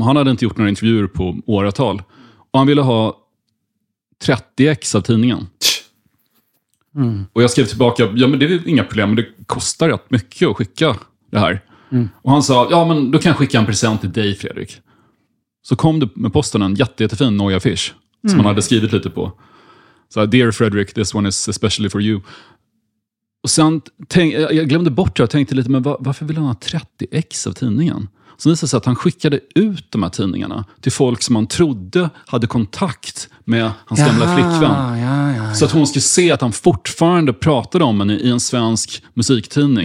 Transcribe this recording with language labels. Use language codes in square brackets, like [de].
[sv] Han hade inte gjort några intervjuer på åratal. Och han ville ha 30 ex av tidningen. Och jag skrev tillbaka, ja men det är inga problem, men det kostar rätt mycket att skicka det här. Mm. Och han sa, ja men då kan jag skicka en present till dig Fredrik. Så kom det med posten en jättefin Noia Fish som man hade skrivit lite på. [en] Så, dear Frederick, this one is especially for you. [sv] Och sen, jag glömde bort det och tänkte lite, men varför vill han ha 30 ex av tidningen? Så det visade sig att han skickade ut de här tidningarna till folk som han trodde hade kontakt med hans gamla flickvän. Ja. Så att hon skulle se att han fortfarande pratade om henne i en svensk musiktidning.